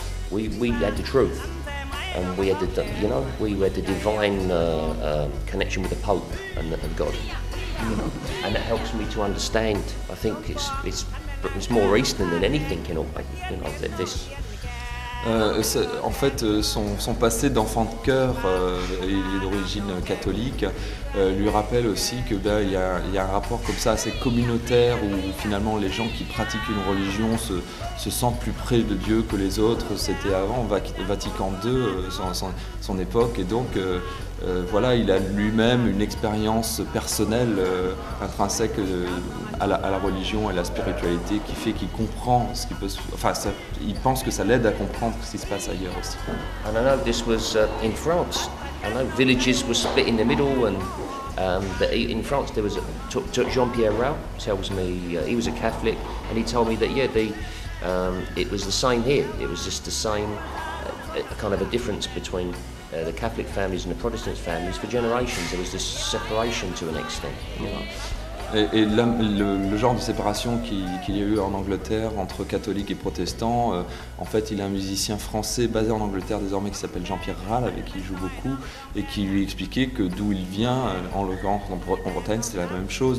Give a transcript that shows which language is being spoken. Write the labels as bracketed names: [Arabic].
[English] We had the truth, and we had the divine connection with the Pope and God. And that helps me to understand. I think it's more Eastern than anything in all, you know, this. [French] En fait, son passé d'enfant de cœur, il est d'origine catholique, lui rappelle aussi que ben il y a un rapport comme ça assez communautaire où finalement les gens qui pratiquent une religion se sentent plus près de Dieu que les autres. C'était avant Vatican II, son époque, et donc voilà, il a lui-même une expérience personnelle intrinsèque à la religion et à la spiritualité qui fait qu'il comprend ce qu'il peut, enfin ça, il pense que ça l'aide à comprendre ce qui se passe ailleurs aussi. [English] And I know this was in France. I know villages were split in the middle, and but in France there was Jean-Pierre Rau tells me he was a Catholic, and he told me that yeah, it was the same here. It was just the same kind of a difference between the Catholic families and the Protestant families for generations. There was this separation to an extent. You know? [French] Et le genre de séparation qu'il y a eu en Angleterre entre catholiques et protestants, en fait il a un musicien français basé en Angleterre désormais qui s'appelle Jean-Pierre Rall, avec qui il joue beaucoup, et qui lui expliquait que d'où il vient, en l'occurrence en Bretagne, c'était la même chose.